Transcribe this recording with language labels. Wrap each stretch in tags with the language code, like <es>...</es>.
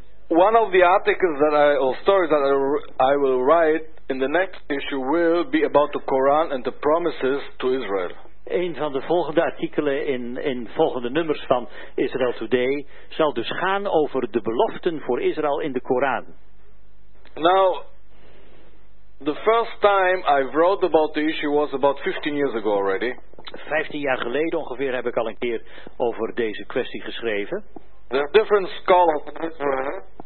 <en>One of the articles that I, or stories that I will write in the next issue will be about the Quran and the promises to Israel.</en> <nl>Een van de volgende artikelen in volgende nummers van Israel Today zal dus gaan over de beloften voor Israël in de Koran.</nl> <en>Now, the first time I wrote about the issue was about 15 years ago already.</en> <nl>15 jaar geleden ongeveer heb ik al een keer over deze kwestie geschreven.</nl> <en>There are different scholars in Israel</en>